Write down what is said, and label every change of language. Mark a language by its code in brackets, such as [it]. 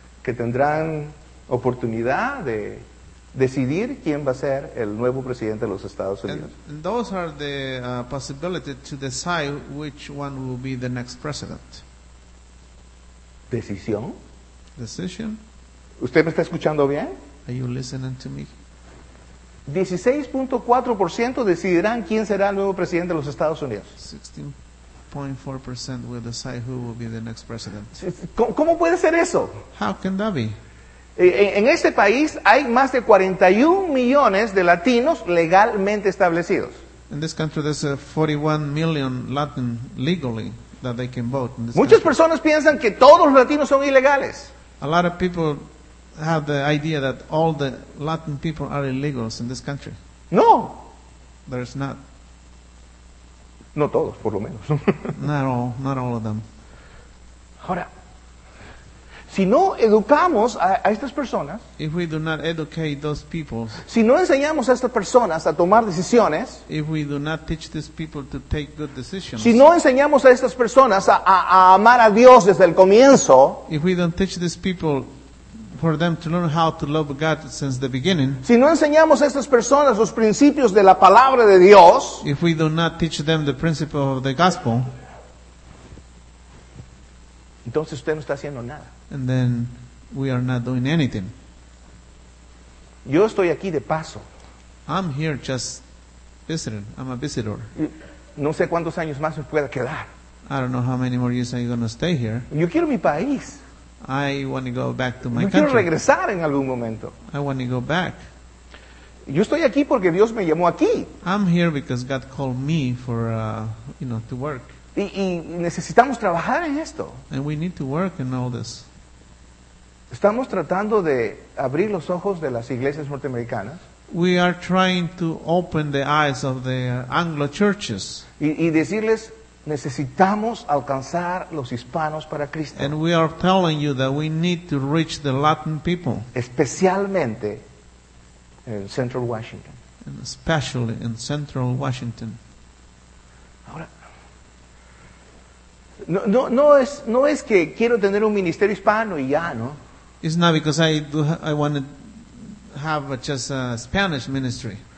[es] Que tendrán oportunidad de decidir quién va a ser el nuevo presidente de los Estados Unidos. [en] And those are the possibility to decide which one will be the next president. [es] Decisión. [en] Decision. [es] ¿Usted me está escuchando bien? [en] Are you listening to me? [es] 16.4% decidirán quién será el nuevo presidente de los Estados Unidos. [en] 16.4% will decide who will be the next president. [es] ¿Cómo puede ser eso? [en] How can that be? [es] En este país hay más de 41 millones de latinos legalmente establecidos. [en] In this country there's 41 million Latin legally that they can vote. [es] Muchas [en] country. [es] Personas piensan que todos los latinos son ilegales. [en] A lot of people have the idea that all the Latin people are illegals in this country. [es] No. [en] There's not. [es] No todos, por lo menos. [en] not all of them. [es] Ahora, si no educamos a estas personas, [en] if we do not educate those peoples, [es] si no enseñamos a estas personas a tomar decisiones, [en] if we do not teach these people to take good decisions, [es] si no enseñamos a estas personas a amar a Dios desde el comienzo, [en] if we don't teach these people for them to learn how to love God since the beginning, [es] si no enseñamos a estas personas los principios de la palabra de Dios, [en] if we do not teach them the principle of the gospel, [es] entonces usted no está haciendo nada. [en] And then we are not doing anything. [es] Yo estoy aquí de paso. [en] I'm here just visiting. I'm a visitor. [es] No sé cuántos años más me pueda quedar. [en] I don't know how many more years I'm going to stay here. [es] Yo quiero mi país. [en] I want to go back to my country. [es] Quiero regresar en algún momento. [en] I want to go back. [es] Yo estoy aquí porque Dios me llamó aquí. [en] I'm here because God called me for, to work. [es] Y necesitamos trabajar en esto. [en] And we need to work in all this. [es] Estamos tratando de abrir los ojos de las iglesias norteamericanas. [en] We are trying to open the eyes of the Anglo churches. [es] Y decirles, necesitamos alcanzar los hispanos para Cristo. [en] And we are telling you that we need to reach the Latin people. [es] Especialmente en Central Washington. [en] And especially in Central Washington. [es] Ahora, no es que quiero tener un ministerio hispano y ya, ¿no? [en] It's not because I want to have just a Spanish ministry.